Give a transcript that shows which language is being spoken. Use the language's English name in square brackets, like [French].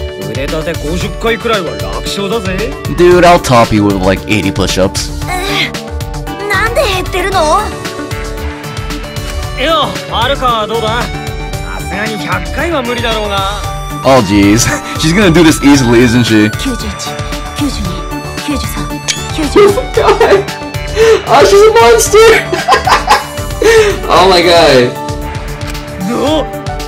[Japanese] 腕立て50回くらいは楽勝だぜ。 [English] Dude, I'll top you with like 80 push-ups. [Japanese] なんで減ってるの？いや、はるかはどうだ？さすがに100回は無理だろうな。 [English] Oh geez, she's gonna do this easily, isn't she? 91, 92, 93, 94. Oh my god! Oh my god! No!